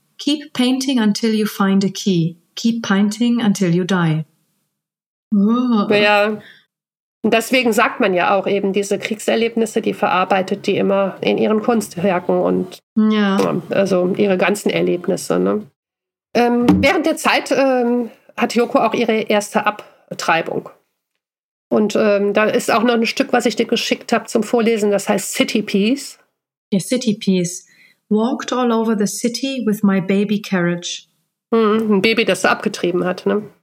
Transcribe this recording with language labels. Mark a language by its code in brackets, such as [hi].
[en] Keep painting until you find a key. Keep painting until you die. [de] Ja, deswegen sagt man ja auch eben, diese Kriegserlebnisse, die verarbeitet die immer in ihren Kunstwerken und ja. Also ihre ganzen Erlebnisse. Ne? Während der Zeit hat Yoko auch ihre erste Abtreibung. Und da ist auch noch ein Stück, was ich dir geschickt habe zum Vorlesen, das heißt City Piece. Ja, City Piece. [en] Walked all over the city with my baby carriage. [de] Ein Baby, das sie abgetrieben hat, ne?